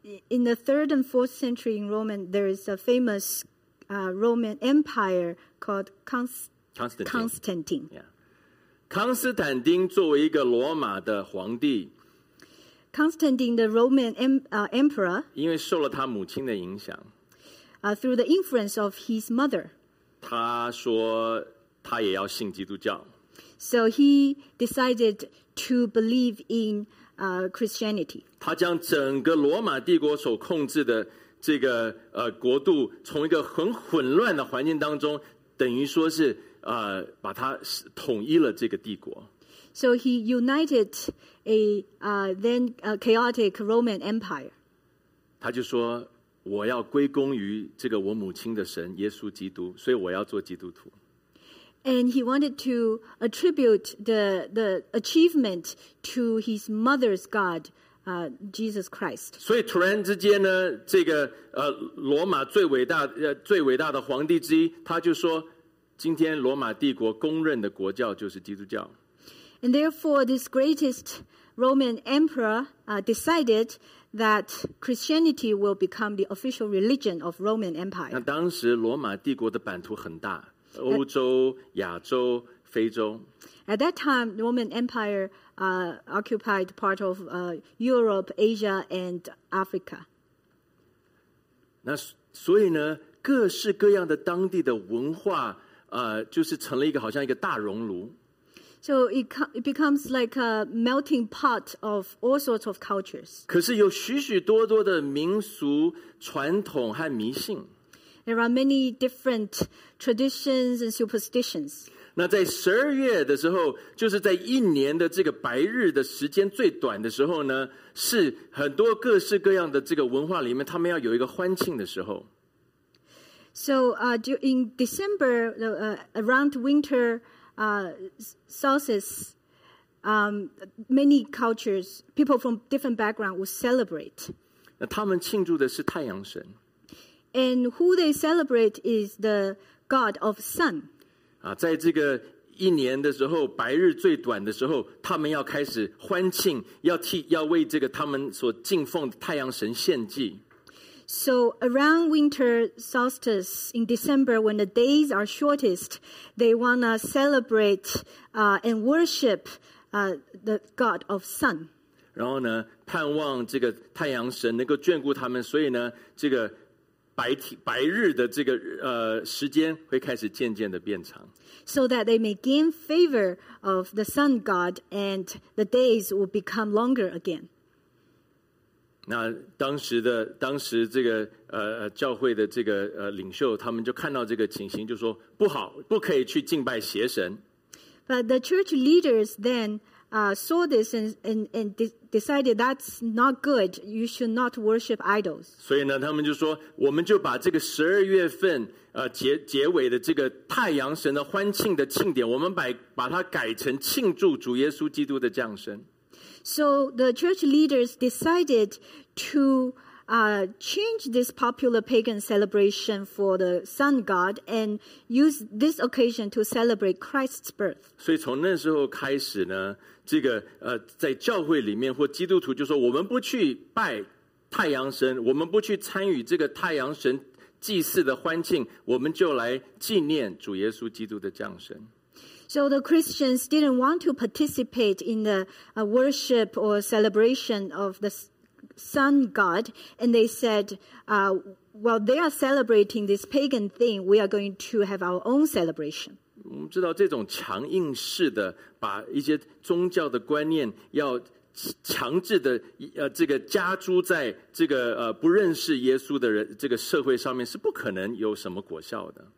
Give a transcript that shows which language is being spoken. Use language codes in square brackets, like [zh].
[en] In the 3rd and 4th century in Roman, there is a famous Roman Empire called Constantine. Yeah. [zh] 康斯坦丁作为一个罗马的皇帝 [en] Constantine, the Roman Emperor, [zh] 因为受了他母亲的影响 [en] through the influence of his mother, [zh] 他说他也要信基督教 [en] So he decided to believe in Christianity. [zh] 他将整个罗马帝国所控制的这个国度从一个很混乱的环境当中等于说是把它统一了这个帝国。 [en] So he united a then a chaotic Roman Empire. [zh] 他就说我要归功于这个我母亲的神耶稣基督所以我要做基督徒。 [en] And he wanted to attribute the achievement to his mother's God, Jesus Christ. [zh] 所以突然之间呢，这个罗马最伟大的皇帝之一，他就说，今天罗马帝国公认的国教就是基督教。 [en] And therefore, this greatest Roman emperor decided that Christianity will become the official religion of Roman Empire. [zh] 那当时罗马帝国的版图很大，欧洲、亚洲、非洲。 [en] At that time, the Roman Empire occupied part of Europe, Asia, and Africa. [zh] 那所以呢，各式各样的当地的文化，就是成了一个好像一个大熔炉。 [en] So it becomes like a melting pot of all sorts of cultures. [zh] 可是有许许多多的民俗传统和迷信。 [en] There are many different traditions and superstitions. [zh] 那在十二月的时候，就是在一年的这个白日的时间最短的时候呢，是很多各式各样的这个文化里面，他们要有一个欢庆的时候。 [en] So in December, around winter,solstice, many cultures, people from different backgrounds will celebrate. [zh] 那他们庆祝的是太阳神。 [en] And who they celebrate is the god of sun. [zh] 在这个一年的时候，白日最短的时候，他们要开始欢庆，要为这个他们所敬奉的太阳神献祭。 [en] So around winter solstice in December, when the days are shortest, they want to celebrate and worship the god of sun. [zh] 然后呢，盼望这个太阳神能够眷顾他们，所以呢，这个白日的这个时间会开始渐渐的变长。 [en] So that they may gain favor of the sun god and the days will become longer again. [zh] 那当时这个教会的这个领袖，他们就看到这个情形，就说不好，不可以去敬拜邪神。 [en] But the church leaders then saw this and decided that's not good. You should not worship idols. [zh] 所以呢，他们就说，我们就把这个十二月份结尾的这个太阳神的欢庆的庆典，我们把它改成庆祝主耶稣基督的降生。 [en] So the church leaders decided to change this popular pagan celebration for the sun god and use this occasion to celebrate Christ's birth. [zh] 所以从那时候开始呢，这个在教会里面或基督徒就说，我们不去拜太阳神，我们不去参与这个太阳神祭祀的欢庆，我们就来纪念主耶稣基督的降生。 [en] So the Christians didn't want to participate in the worship or celebration of the sun god, and they said, "Well, they are celebrating this pagan thing. We are going to have our own celebration." [zh] 我们知道这种强硬式的把一些宗教的观念要强制的这个加诸在这个不认识耶稣的人这个社会上面是不可能有什么果效的。